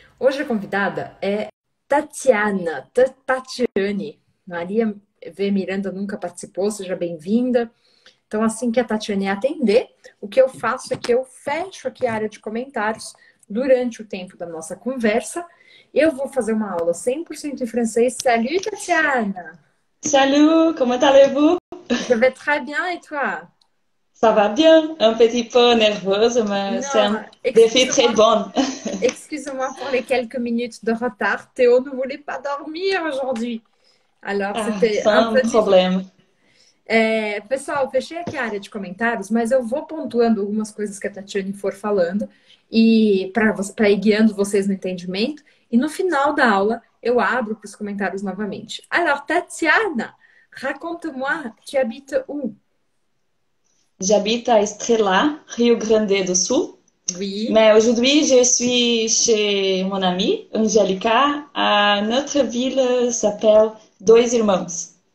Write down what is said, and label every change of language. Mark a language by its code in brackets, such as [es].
[pt] Hoje a convidada é Tatiana, Tatiane. Maria V. Miranda nunca participou, seja bem-vinda. Então, assim que a Tatiane atender, o que eu faço é que eu fecho aqui a área de comentários durante o tempo da nossa conversa. Eu vou fazer uma aula 100% em francês. [fr] Salut, Tatiana! Salut, comment allez-vous? Je vais très bien, et toi? Ça va bien, un petit peu nerveuse, mais c'est Non, un défi très bon. excuse-moi pour les quelques minutes de retard. Théo ne voulait pas dormir aujourd'hui. Alors, Ah, c'était un sans peu difficile. problème. [pt] Pessoal, fechei aqui a área de comentários, mas eu vou pontuando algumas coisas que a Tatiane for falando e para ir guiando vocês no entendimento. E no final da aula, eu abro para os comentários novamente. [fr] Alors, Tatiana, raconte-moi, tu habites où? J'habite à Estrela, Rio Grande do Sul. Oui. Mais aujourd'hui, je suis chez mon amie, Angélica. À notre ville s'appelle Dois Irmãos,